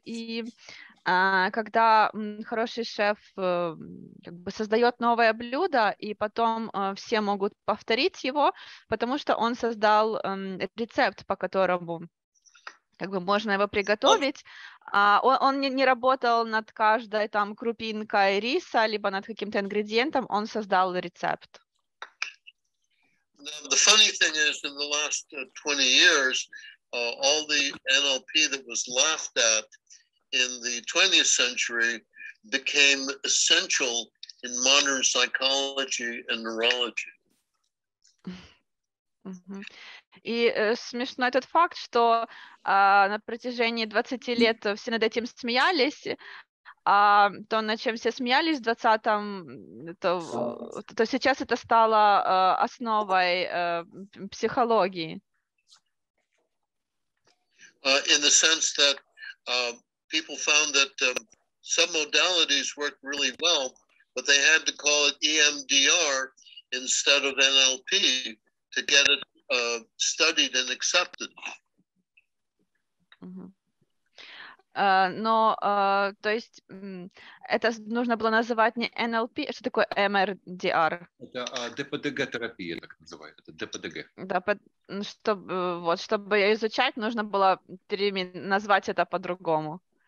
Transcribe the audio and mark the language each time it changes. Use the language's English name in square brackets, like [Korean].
[Russian] И когда хороший шеф как бы создает новое блюдо, и потом все могут повторить его, потому что он создал рецепт, по которому как бы можно его приготовить, он не работал над каждой там крупинкой риса, либо над каким-то ингредиентом, он создал рецепт. [English] The funny thing is, in the last 20 years, all the NLP that was laughed at in the 20th century became essential in modern psychology and neurology. [Russian] И смешно этот факт, что на протяжении 20 лет все над этим смеялись, а то, над чем все смеялись в 20-м, то сейчас это стало основой психологии. [English] In the sense that people found that some modalities worked really well, but they had to call it EMDR instead of NLP to get it studied and accepted. [Russian] Но, то есть, это нужно было называть не NLP, а что такое MRDR? Это ДПДГ-терапия, так называют, это ДПДГ. Да, чтобы изучать, нужно было назвать это по-другому.